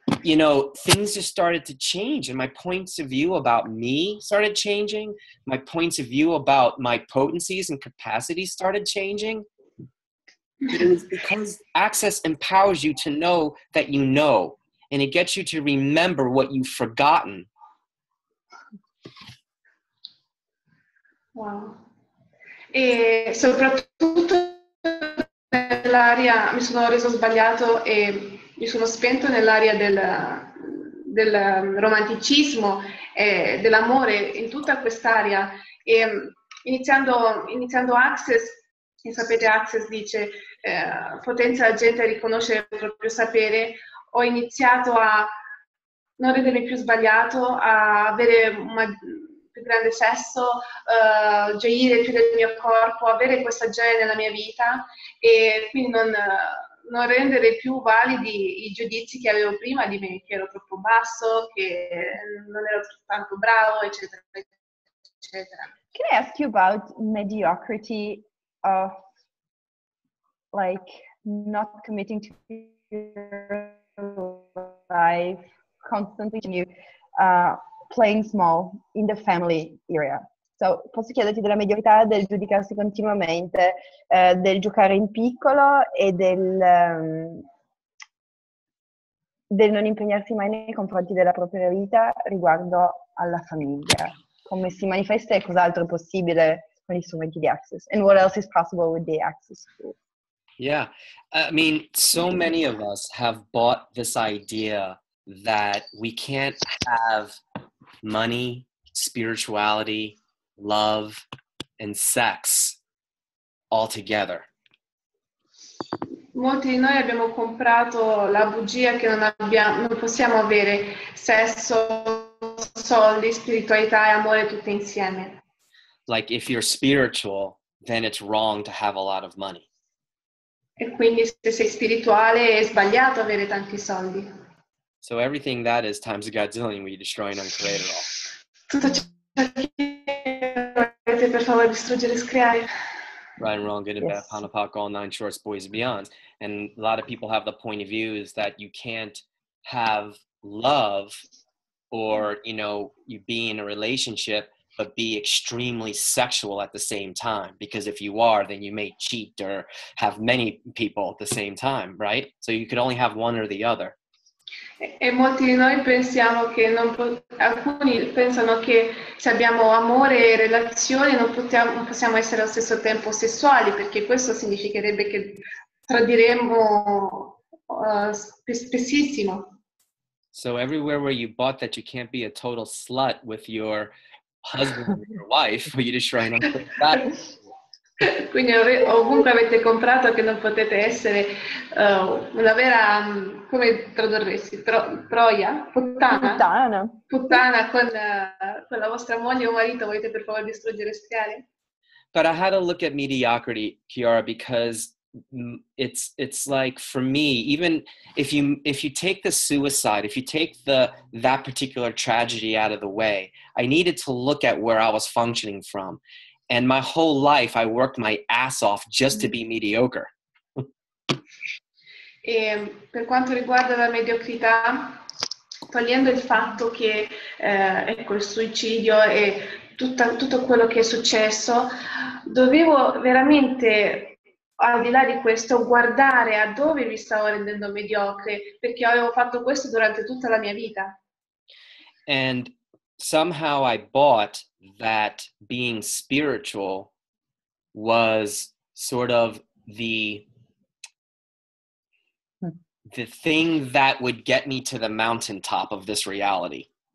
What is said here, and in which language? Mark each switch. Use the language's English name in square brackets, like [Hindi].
[English] You know, things just started to change, and my points of view about me started changing. My points of view about my potencies and capacities started changing. But it was because Access empowers you to know that you know. And it gets you to remember what you've forgotten. Wow. [Italian] E soprattutto nell'area, mi sono reso sbagliato e mi sono spento nell'area del romanticismo e dell'amore in tutta quest'area. E iniziando Access, e sapete Access dice, potenza la gente a riconoscere il proprio sapere, ho iniziato a non ritenere più sbagliato a avere più grande sesso, gioire più del mio corpo, avere questa gioia nella mia vita e quindi non rendere più validi i giudizi che avevo prima di me, che ero troppo basso, che non ero tanto bravo, eccetera, eccetera. [English] Can I ask you about mediocrity of like not committing to your life, constantly playing small in the family area? [Italian] So, posso chiederti della mediocrità del giudicarsi continuamente, del giocare in piccolo e del non impegnarsi mai nei confronti della propria vita riguardo alla famiglia? Come si manifesta e cos'altro è possibile con gli strumenti di Access? [English] And what else is possible with the Access tool? Yeah, I mean, so many of us have bought this idea that we can't have money, spirituality, love, and sex all together. [Italian] Molti di noi abbiamo comprato la bugia che non possiamo avere sesso, soldi, spiritualità e amore tutti insieme. [English] Like if you're spiritual, then it's wrong to have a lot of money. [Italian] E quindi se sei spirituale è sbagliato avere tanti soldi. [English] So everything that is times a godzillion, we destroy and uncreate it all. [Italian] Tutto ciò che volete per favore distruggere e screare. [English] Right and wrong, good and bad, pound and pock, all nine shorts, boys and beyonds. And a lot of people have the point of view is that you can't have love or, you know, you be in a relationship but be extremely sexual at the same time. Because if you are, then you may cheat or have many people at the same time, right? So you could only have one or the other. [Italian] E molti di noi pensiamo che alcuni pensano che se abbiamo amore e relazioni non possiamo essere allo stesso tempo sessuali, perché questo significherebbe che tradiremmo spessissimo. [English] So everywhere where you bought that you can't be a total slut with your husband or your wife, will you destroy and uncreate that? [Italian] Quindi ovunque avete comprato che non potete essere una vera, come tradurresti, troia, puttana con la vostra moglie o marito, volete per favore distruggere e schiare? [English] But I had a look at mediocrity, Chiara, because it's like for me, even if you take the suicide, if you take that particular tragedy out of the way, I needed to look at where I was functioning from. And my whole life, I worked my ass off just to be mediocre. [Italian] E per quanto riguarda la mediocrità, togliendo il fatto che ecco il suicidio e tutto quello che è successo, dovevo veramente, al di là di questo, guardare a dove mi stavo rendendo mediocre, perché avevo fatto questo durante tutta la mia vita. [English] And somehow I bought that being spiritual was sort of the thing that would get me to the mountaintop of this reality.